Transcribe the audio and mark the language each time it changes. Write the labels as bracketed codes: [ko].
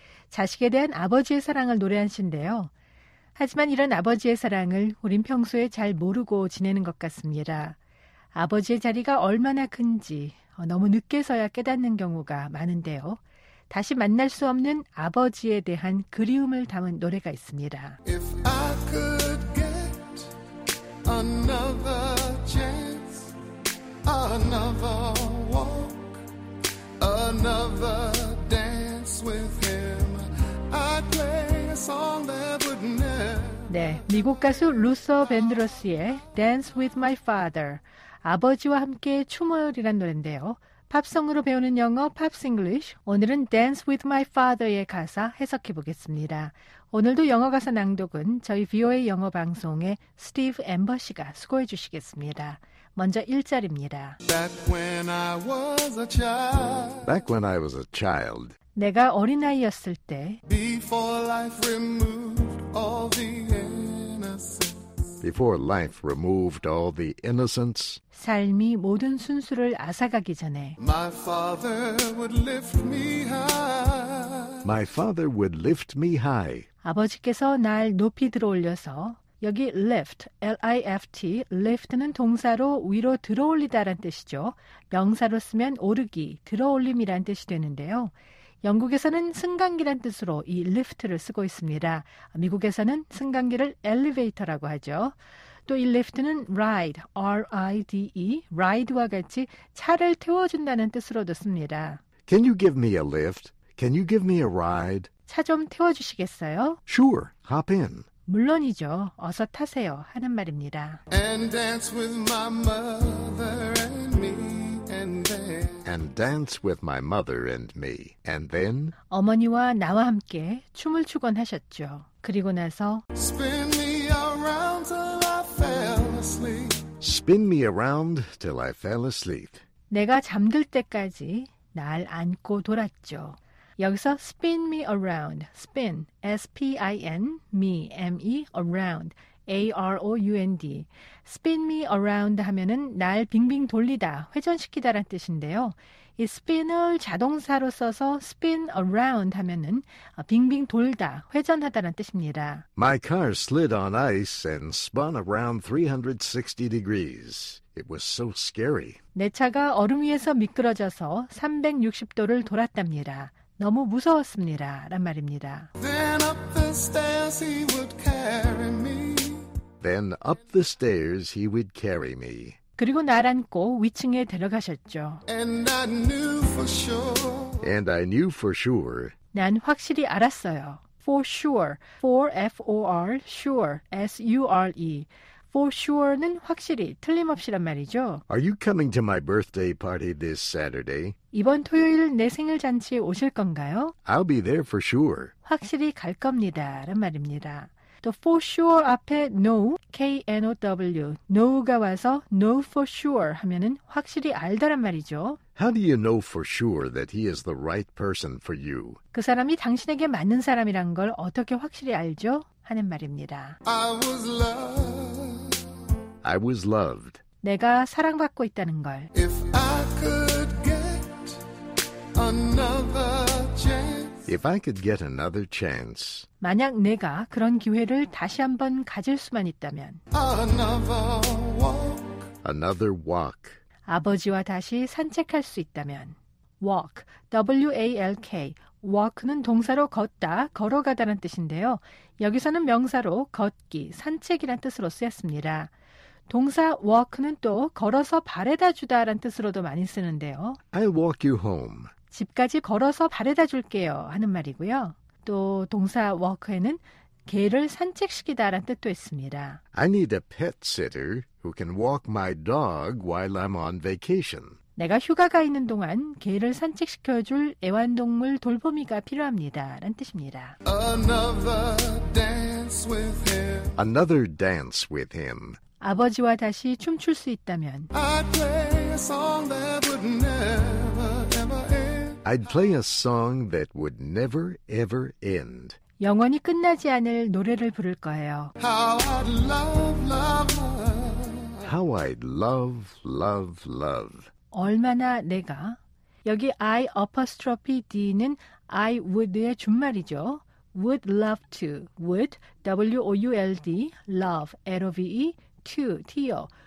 [ko] 자식에 대한 아버지의 사랑을 노래한 시인데요. 하지만 이런 아버지의 사랑을 우린 평소에 잘 모르고 지내는 것 같습니다. 아버지의 자리가 얼마나 큰지 너무 늦게서야 깨닫는 경우가 많은데요. 다시 만날 수 없는 아버지에 대한 그리움을 담은 노래가 있습니다. [en] If I could get another chance, another walk, another dance with him, I'd play a song that would never. [ko] 네, 미국 가수 루서 벤드로스의 Dance with My Father, 아버지와 함께 춤을이란 노래인데요. 팝송으로 배우는 영어 팝스 잉글리쉬, 오늘은 Dance with my father의 가사 해석해 보겠습니다. 오늘도 영어 가사 낭독은 저희 VOA 영어 방송의 스티브 앰버 씨가 수고해 주시겠습니다. 먼저 1절입니다. [en] Back when I was a child. Back when I was a child. [ko] 내가 어린아이였을 때. [en] Before life removed all the innocence. Before life removed all the innocence, [ko] 삶이 모든 순수를 앗아가기 전에, [en] my father would lift me high. My father would lift me high. [ko] 아버지께서 날 높이 들어올려서, 여기 lift, L-I-F-T, lift는 동사로 위로 들어올리다란 뜻이죠. 명사로 쓰면 오르기, 들어올림이란 뜻이 되는데요. 영국에서는 승강기란 뜻으로 이 리프트를 쓰고 있습니다. 미국에서는 승강기를 엘리베이터라고 하죠. 또 이 리프트는 ride, R-I-D-E, ride와 같이 차를 태워준다는 뜻으로도 씁니다. [en] Can you give me a lift? Can you give me a ride? [ko] 차 좀 태워주시겠어요? [en] Sure, hop in. [ko] 물론이죠. 어서 타세요 하는 말입니다. [en] And dance with my mother and me. And dance with my mother and me. And then? [ko] 어머니와 나와 함께 춤을 추곤 하셨죠. 그리고 나서 [en] Spin me around till Spin me around till I fell asleep. [ko] 내가 잠들 때까지 날 안고 돌았죠. [en] 여기서 spin me around, spin, S-P-I-N, me, M-E, around, A-R-O-U-N-D. [ko] Spin me around 하면은 날 빙빙 돌리다, 회전시키다란 뜻인데요. 이 spin을 자동사로 써서 spin around 하면은 빙빙 돌다, 회전하다란 뜻입니다. [en] My car slid on ice and spun around 360 degrees. It was so scary. [ko] 내 차가 얼음 위에서 미끄러져서 360도를 돌았답니다. 너무 무서웠습니다. 란 말입니다. [en] Then up the stairs he would carry me. Then up the stairs he would carry me. [ko] 그리고 날 안고 위층에 데려가셨죠. [en] And I knew for sure. And I knew for sure. [ko] 난 확실히 알았어요. [en] For sure. For F-O-R. Sure. S-U-R-E. [ko] For sure는 확실히, 틀림없이란 말이죠. [en] Are you coming to my birthday party this Saturday? [ko] 이번 토요일 내 생일 잔치에 오실 건가요? [en] I'll be there for sure. [ko] 확실히 갈 겁니다란 말입니다. 또 for sure 앞에 know, K-N-O-W, know가 와서 know for sure 하면은 확실히 알다란 말이죠. [en] How do you know for sure that he is the right person for you? [ko] 그 사람이 당신에게 맞는 사람이란 걸 어떻게 확실히 알죠? 하는 말입니다. [en] I was loved. I was loved. [ko] 내가 사랑받고 있다는 걸. [en] If I could get another chance. If I could get another chance. [ko] 만약 내가 그런 기회를 다시 한번 가질 수만 있다면. [en] Another walk. Another walk. [ko] 아버지와 다시 산책할 수 있다면. [en] Walk. W-A-L-K. [ko] Walk는 동사로 걷다, 걸어가다는 뜻인데요. 여기서는 명사로 걷기, 산책이란 뜻으로 쓰였습니다. 동사 walk는 또 걸어서 바래다 주다란 뜻으로도 많이 쓰는데요. [en] I'll walk you home. [ko] 집까지 걸어서 바래다 줄게요 하는 말이고요. 또 동사 walk에는 개를 산책시키다란 뜻도 있습니다. [en] I need a pet sitter who can walk my dog while I'm on vacation. [ko] 내가 휴가가 있는 동안 개를 산책시켜줄 애완동물 돌보미가 필요합니다. 라는 뜻입니다. [en] Another dance with him. Another dance with him. [ko] 아버지와 다시 춤출 수 있다면 [en] I'd play a song that would never ever end. I'd play a song that would never ever end. [ko] 영원히 끝나지 않을 노래를 부를 거예요. [en] How I'd love, love, love. How I'd love, love, love. [ko] 얼마나 내가 여기 I apostrophe D는 I would의 준말이죠. [en] Would love to. Would, W-O-U-L-D, love, L-O-V-E, to, T-O.